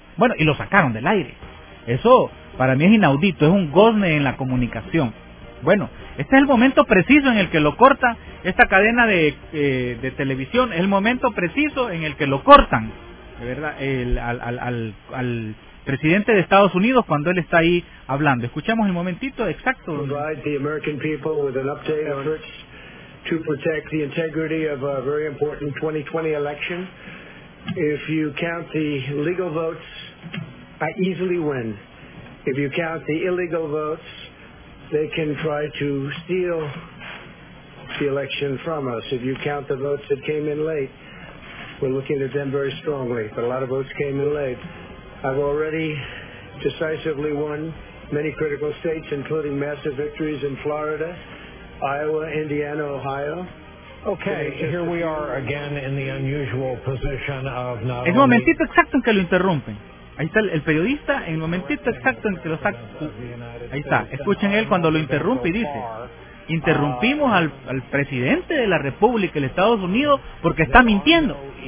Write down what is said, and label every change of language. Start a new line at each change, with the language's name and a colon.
Spanish: Bueno, y lo sacaron del aire. Eso para mí es inaudito, es un gozne en la comunicación. Bueno, este es el momento preciso en el que lo corta esta cadena de televisión, es el momento preciso en el que lo cortan, de verdad, al presidente de Estados Unidos cuando él está ahí hablando. Escuchamos el momentito exacto.
English: Provide the American people with an update on efforts to protect the integrity of a very important 2020 election. If you count the legal votes, I easily win. If you count the illegal votes, they can try to steal the election from us. If you count the votes that came in late, we're looking at them very strongly, but a lot of votes came in late. I've already decisively won many critical states, including massive victories in Florida, Iowa, Indiana, Ohio. Okay, here we are again in the unusual position of not
Spanish: only... El momentito exacto en que lo interrumpen. Ahí está el periodista, en el momentito exacto en que lo saca. Ahí está, escuchen él cuando lo interrumpe y dice: interrumpimos al presidente de la República, el Estados Unidos, porque está mintiendo.